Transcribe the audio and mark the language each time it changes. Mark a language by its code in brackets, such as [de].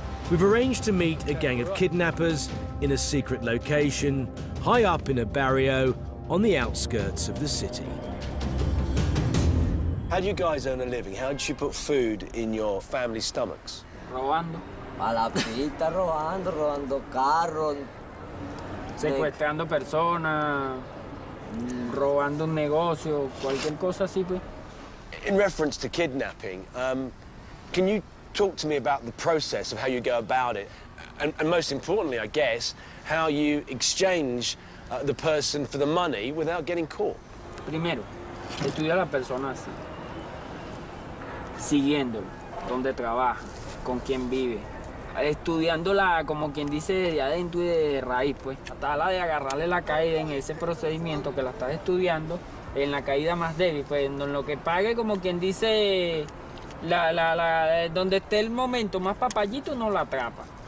[en] We've arranged to meet a gang of kidnappers in a secret location, high up in a barrio on the outskirts of the city. How do you guys earn a living? How do you put food in your family stomachs? [es] Robando. A la pita, robando, robando carro. Secuestrando personas, robando un negocio, cualquier cosa así, pues. [en] In reference to kidnapping, can you talk to me about the process of how you go about it and most importantly, I guess, how you exchange the person for the money without getting caught. [es] Primero, estudia a la persona así, siguiendo donde trabaja, con quien vive, estudiándola como quien dice de adentro y de raíz, pues, tratarla de agarrarle la caída en ese procedimiento que la estás estudiando, en la caída más débil, pues, en lo que pague, como quien dice, la donde esté el momento más papayito, no la atrapa.